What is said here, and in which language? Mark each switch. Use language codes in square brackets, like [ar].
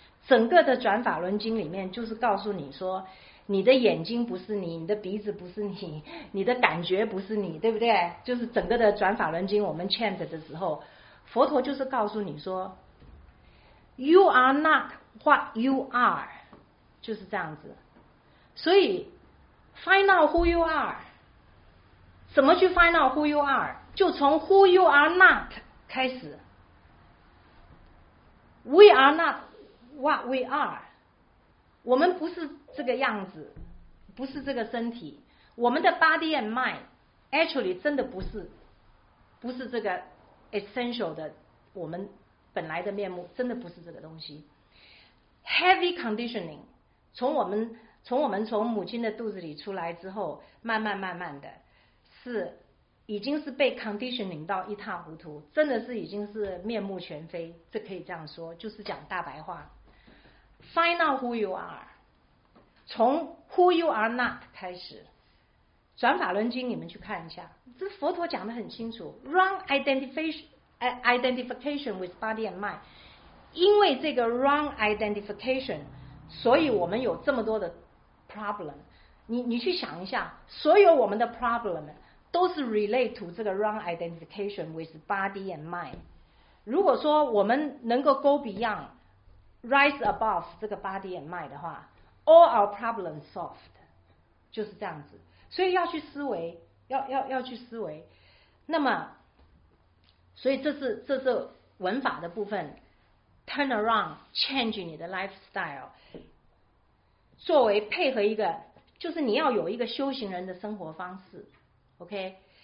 [zh] 整个的转法轮经里面就是告诉你说，你的眼睛不是你，你的鼻子不是你，你的感觉不是你，对不对？就是整个的转法轮经，我们 chant 的时候，佛陀就是告诉你说 ， [en] You are not what you are， [zh] 就是这样子。所以 [en] ，find out who you are， [zh] 怎么去 [en] find out who you are？ [zh] 就从 [en] who you are not [zh] 开始。 [en] We are not what we are。 [zh] 我们不是这个样子，不是这个身体，我们的 [en] body and mind actually [zh] 真的不是这个 essential 的我们本来的面目，真的不是这个东西。 [en] heavy conditioning， [zh] 从我们从母亲的肚子里出来之后，慢慢慢慢的是已经是被 conditioning 到一塌糊涂，真的是已经是面目全非，这可以这样说，就是讲大白话。 [en] Find out who you are， [zh] 从 [en] who you are not [zh] 开始。转法轮经你们去看一下，这佛陀讲得很清楚， [en] wrong identification with body and mind， [zh] 因为这个 wrong identification， 所以我们有这么多的 problem。你去想一下，所有我们的 problem 都是 [en] relate to [zh] 这个 [en] wrong identification with body and mind。 [zh] 如果说我们能够 [en] go beyondrise above [zh] 这个 body and mind 的话， [en] all our problems solved， [zh] 就是这样子。所以要去思维，要去思维。那么所以这是文法的部分， [en] turn around change [zh] 你的 lifestyle， 作为配合一个，就是你要有一个修行人的生活方式， OK。